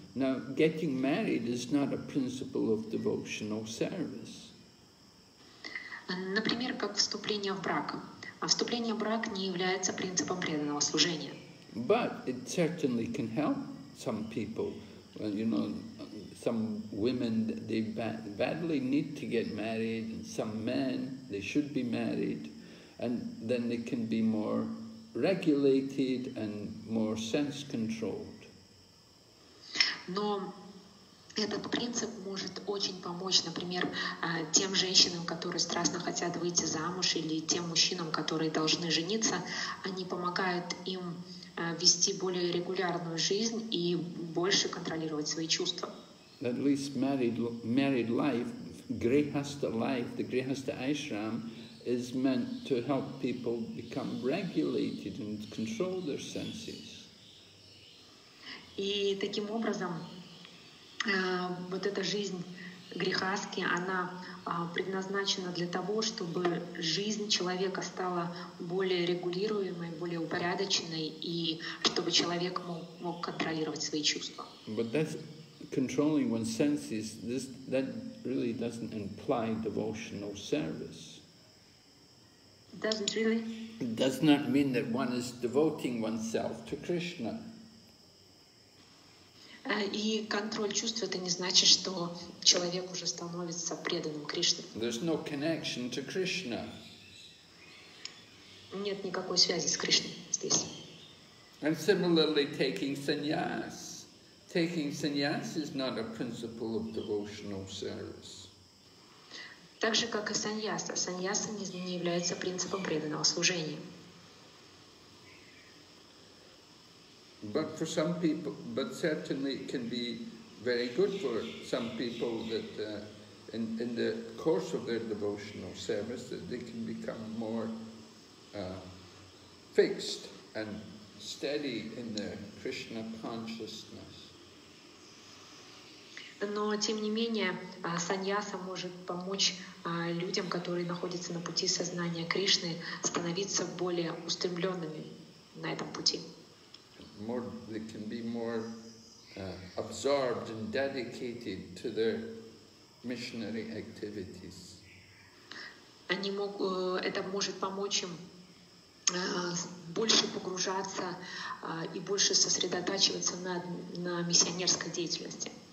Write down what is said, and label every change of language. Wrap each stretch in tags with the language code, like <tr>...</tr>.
<en>Now, getting married is not a principle of devotional service.</en> <ru>Например, как вступление в брак. А вступление в брак не является принципом преданного служения.</ru> <en>But it certainly can help some people. Well, you know, some women, they badly need to get married, and some men, they should be married, and then they can be more regulated and more sense-controlled.</en> <ru>Но этот принцип может очень помочь, например, тем женщинам, которые страстно хотят выйти замуж, или тем мужчинам, которые должны жениться. Они помогают им вести более регулярную жизнь и больше контролировать свои чувства.</ru> <en>At least married life, grihastha life, the grihastha ashram is meant to help people become regulated and control their senses.</en> <ru>И таким образом вот эта жизнь грехаски, она предназначена для того, чтобы жизнь человека стала более регулируемой, более упорядоченной, и чтобы человек мог контролировать свои чувства.</ru> <en>But that's controlling one's senses, that really doesn't imply devotional service. Doesn't really? It does not mean that one is devoting oneself to Krishna.</en> <ru>И контроль чувств — это не значит, что человек уже становится преданным Кришне.</ru> <en>There's no connection to Krishna.</en> <ru>Нет никакой связи с Кришной здесь.</ru> <en>And similarly, taking sannyas. Taking sannyas is not a principle of devotional service.</en> <ru>Так же, как и саньяса. Саньяса не является принципом преданного служения.</ru> <en>But for some people, but certainly it can be very good for some people that in the course of their devotional service that they can become more fixed and steady in their Krishna consciousness.</en> <ru>Но тем не менее, саньяса может помочь людям, которые находятся на пути сознания Кришны, становиться более устремленными на этом пути.</ru> <en>More, they can be more absorbed and dedicated to their missionary activities.</en> <ru>Они могут, это может помочь им больше погружаться и больше сосредотачиваться на миссионерской деятельности.</ru>